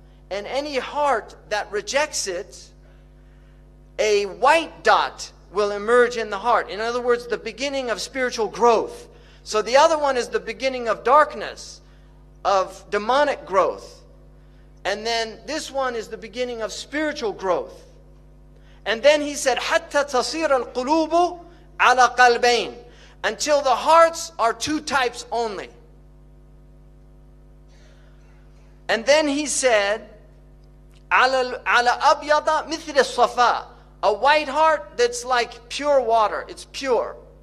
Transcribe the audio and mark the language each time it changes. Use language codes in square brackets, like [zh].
[en] And any heart that rejects it, a white dot will emerge in the heart. In other words, the beginning of spiritual growth. So the other one is the beginning of darkness, of demonic growth. And then this one is the beginning of spiritual growth. [ar] And then he said, حَتَّى تَصِيرَ الْقُلُوبُ عَلَى قَلْبَيْنِ. [en] Until the hearts are two types only. [ar] And then he said, عَلَى أَبْيَضَ مِثْلِ الصَّفَاءِ. [en] A white heart that's like pure water. It's pure.